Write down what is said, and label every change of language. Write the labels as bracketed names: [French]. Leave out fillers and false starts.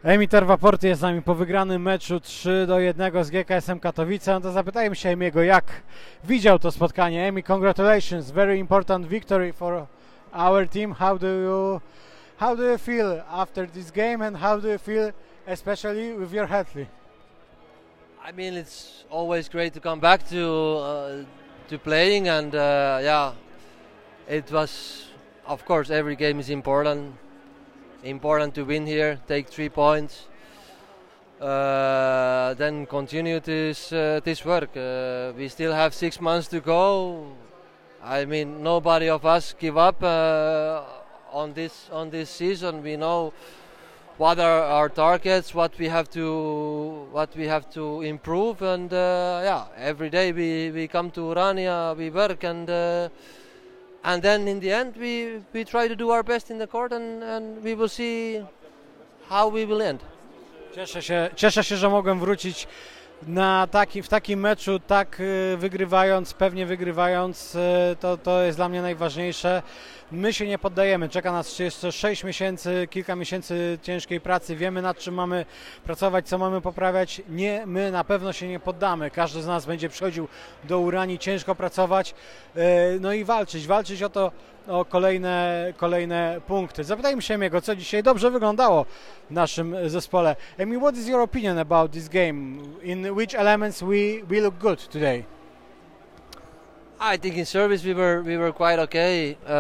[Polish] Emiter Vaporty jest z nami po wygranym meczu 3-1 z GKS-em Katowice. No to zapytajmy się Emiego, jak widział to spotkanie. [English] Emi, congratulations, very important victory for our team. How do you feel after this game, and how do you feel especially with your Hetley? I mean, it's always great to come back to playing, and yeah, it was, of course, every game is important. Important to win here, take 3 points, then continue this work. We still have 6 months to go. I mean, nobody of us give up on this season. We know what are our targets, what we have to improve, and yeah, every day we come to Urania, we work, and then in the end we try to do our best in the court, and we will see how we will end. [Polish] Cieszę się, że mogłem wrócić w takim meczu, tak wygrywając, pewnie wygrywając, to jest dla mnie najważniejsze. My się nie poddajemy, czeka nas jeszcze 6 miesięcy, kilka miesięcy ciężkiej pracy, wiemy, nad czym mamy pracować, co mamy poprawiać. Nie, my na pewno się nie poddamy, każdy z nas będzie przychodził do Urani ciężko pracować, no i walczyć o to, o kolejne punkty. Zapytajmy się Emiego, co dzisiaj dobrze wyglądało w naszym zespole. [English] Emi, what is your opinion about this game? In which elements we look good today? I think in service we were quite okay.